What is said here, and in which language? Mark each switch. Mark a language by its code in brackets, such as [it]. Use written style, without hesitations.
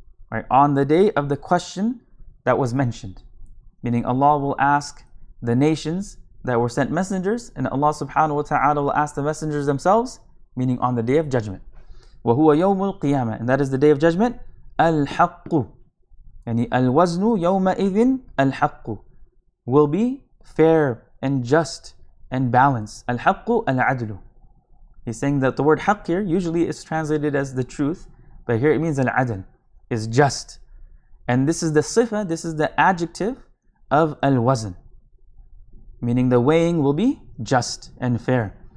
[en] right, on the day of the question that was mentioned. Meaning Allah will ask the nations that were sent messengers, and Allah subhanahu wa ta'ala will ask the messengers themselves, meaning on the Day of Judgment. [ar] وَهُوَ يَوْمُ الْقِيَامَةِ, [en] and that is the Day of Judgment. [ar] الْحَقُّ, يعني الْوَزْنُ يَوْمَئِذٍ الْحَقُّ, [en] will be fair and just and balanced. Al-haqqu al-adlu. He's saying that the word haqq here usually is translated as the truth, but here it means al-adl, is just. And this is the sifa, this is the adjective of al-wazn, meaning the weighing will be just and fair.